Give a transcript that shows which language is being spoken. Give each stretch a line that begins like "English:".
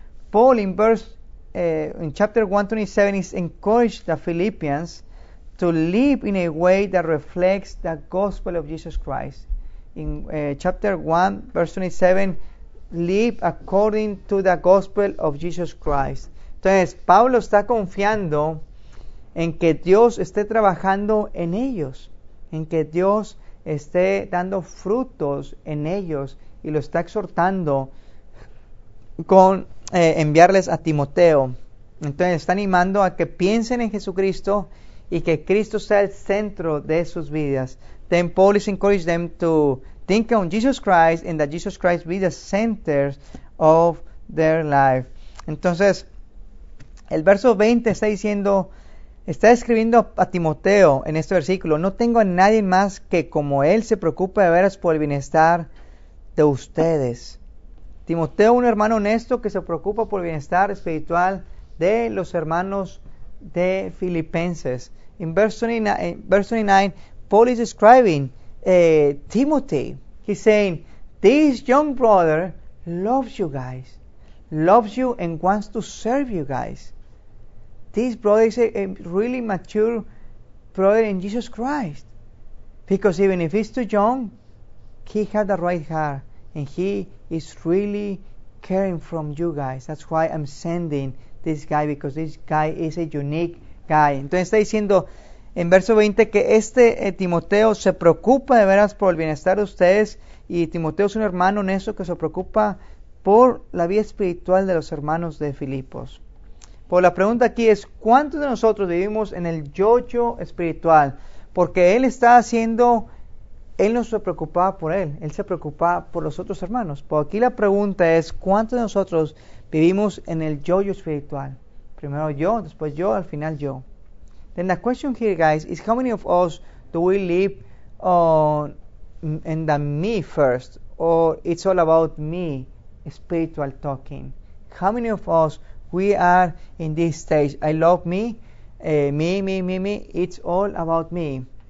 English: Paul, in chapter 1:27, is encouraged the Philippians to live in a way that reflects the gospel of Jesus Christ. In chapter 1, verse 27, live according to the gospel of Jesus Christ.
Spanish: Entonces, Pablo está confiando en que Dios esté trabajando en ellos, en que Dios esté dando frutos en ellos, y lo está exhortando con enviarles a Timoteo. Entonces, está animando a que piensen en Jesucristo y que Cristo sea el centro de sus vidas.
English: Then Paul is encouraging them to think on Jesus Christ and that Jesus Christ be the center of their life.
Spanish: Entonces, el verso 20 está diciendo, está escribiendo a Timoteo en este versículo, no tengo a nadie más que como él se preocupe de veras por el bienestar de ustedes. Timoteo, un hermano honesto que se preocupa por el bienestar espiritual de los hermanos de Filipenses.
English: In verse 29, Paul is describing Timothy. He's saying, this young brother loves you guys, loves you and wants to serve you guys. This brother is a really mature brother in Jesus Christ. Because even if he's too young, he had the right heart and he is really caring from you guys. That's why I'm sending this guy, because this guy is a unique guy.
Spanish: Entonces está diciendo en verso 20 que este Timoteo se preocupa de veras por el bienestar de ustedes, y Timoteo es un hermano honesto que se preocupa por la vida espiritual de los hermanos de Filipos. Pues la pregunta aquí es, ¿cuántos de nosotros vivimos en el yo-yo espiritual? Porque él está haciendo, él no se preocupaba por él, él se preocupaba por los otros hermanos. Pues aquí la pregunta es, ¿cuántos de nosotros vivimos en el yo-yo espiritual? Primero yo, después yo, al final yo.
English: Then the question here, guys, is how many of us do we live on in the me first? Or it's all about me, spiritual talking. How many of us, we are in this stage, I love me, me, it's all about me.